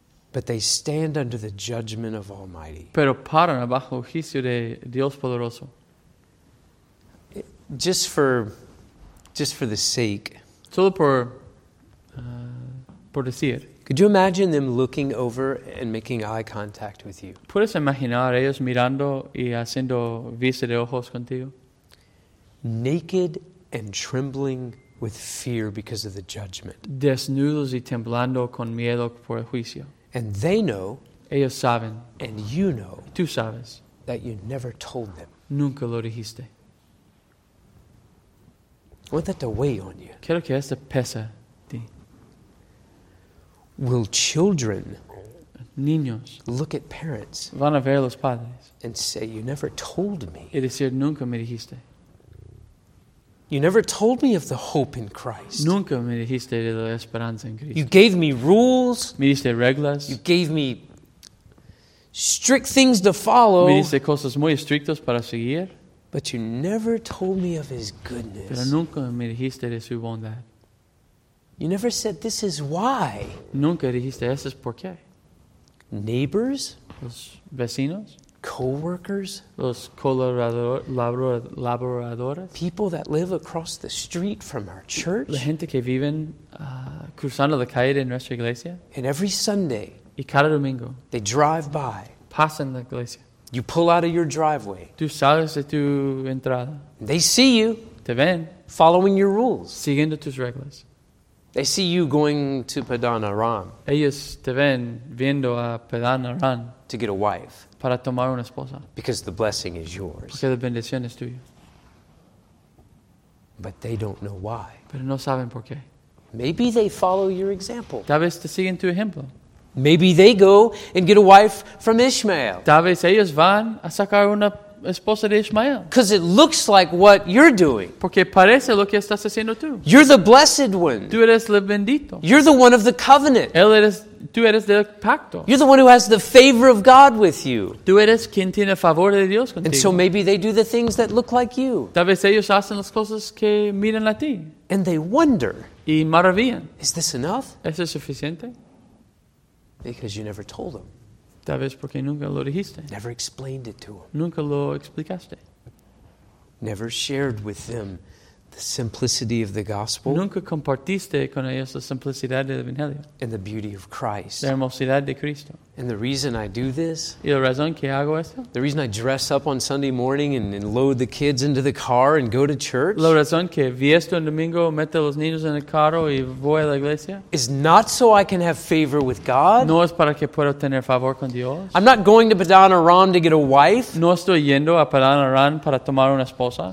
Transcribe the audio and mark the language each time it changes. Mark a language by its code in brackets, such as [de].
[en] But they stand under the judgment of Almighty. [es] Pero paran bajo el juicio de Dios Poderoso. [en] Just for the sake. [es] Solo por por decir. [en] Could you imagine them looking over and making eye contact with you? [es] ¿Puedes imaginar ellos mirando y haciendo vista de ojos contigo? [en] Naked and trembling with fear because of the judgment. [es] Desnudos y temblando con miedo por el juicio. [en] And they know. [es] Ellos saben. [en] And you know. [es] Tú sabes. [en] That you never told them. [es] Nunca lo dijiste. [en] I want that to weigh on you. [es] Quiero que esto pesa. [en] Will children, [es] niños, [en] look at parents, [es] van a ver a los padres, [en] and say, "You never told me." [es] Y decir, nunca me dijiste. [en] You never told me of the hope in Christ. [es] Nunca me dijiste de la esperanza en Cristo. [en] You gave me rules. [es] Me diste reglas. [en] You gave me strict things to follow. [es] Me diste cosas muy estrictas para seguir. [en] But you never told me of His goodness. [es] Pero nunca me dijiste de su bondad. [en] You never said, this is why. [es] Nunca dijiste, esto es por qué. [en] Neighbors. [es] Los vecinos. [en] Co-workers. [es] Los colaboradores. [en] People that live across the street from our church. [es] La gente que viven cruzando la calle de nuestra iglesia. [en] And every Sunday. [es] Y cada domingo. [en] They drive by. [es] Pasan la iglesia. [en] You pull out of your driveway. [es] Tú sales de tu entrada. [en] They see you. [es] Te ven. [en] Following your rules. [es] Siguiendo tus reglas. [en] They see you going to Padan Aram. [es] Ellos te ven viendo a Padan Aram. [en] To get a wife. [es] Para tomar una esposa. [en] Because the blessing is yours. [es] Porque la bendición es tuya. [en] But they don't know why. [es] Pero no saben por qué. [en] Maybe they follow your example. [es] Tal vez te siguen tu ejemplo. [en] Maybe they go and get a wife from Ishmael. [es] Tal vez ellos van a sacar una esposa de Ishmael. [en] Because it looks like what you're doing. [es] Porque parece lo que estás haciendo tú. [en] You're the blessed one. [es] Tú eres el bendito. [en] You're the one of the covenant. [es] Tú eres del pacto. [en] You're the one who has the favor of God with you. [es] Tú eres quien tiene favor de Dios contigo. [en] And so maybe they do the things that look like you. [es] Tal vez ellos hacen las cosas que miran a ti. [en] And they wonder. [es] Y maravillan. [en] Is this enough? [es] ¿Esto es suficiente? [en] Because you never told them. [es] Tal vez porque nunca lo dijiste. [en] Never explained it to them. [es] Nunca lo explicaste. [en] Never shared with them the simplicity of the gospel. [es] Nunca compartiste con ellos la simplicidad del evangelio. [en] And the beauty of Christ. [es] La hermosidad de Cristo. [en] And the reason I do this. [es] Y la razón que hago esto. [en] The reason I dress up on Sunday morning and load the kids into the car and go to church. [es] La razón que visto en domingo, meto los niños en el carro y voy a la iglesia. [en] Is not so I can have favor with God. [es] No es para que pueda tener favor con Dios. [en] I'm not going to Padan Aram to get a wife. [es] No estoy yendo a Padan Aram para tomar una esposa.